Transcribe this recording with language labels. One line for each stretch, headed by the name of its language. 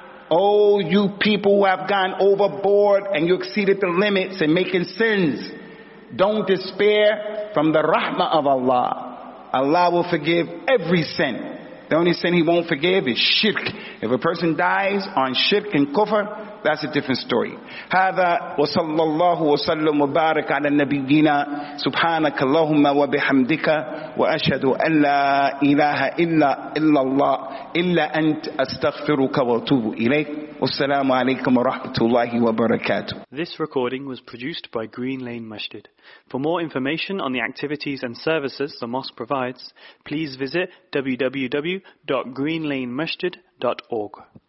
English: Oh, you people who have gone overboard and you exceeded the limits in making sins, don't despair from the rahmah of Allah. Allah will forgive every sin. The only sin He won't forgive is shirk. If a person dies on shirk and kufr, that's a different story.
Arabic: هذا وصلى الله وسلم وبارك على نبينا سبحانك اللهم وبحمدك وأشهد أن لا إله إلا الله إلا أنت أستغفرك وأتوب إليك والسلام عليكم ورحمة الله وبركاته.
English: This recording was produced by Green Lane Masjid. For more information on the activities and services the mosque provides, please visit www.greenlanemasjid.org.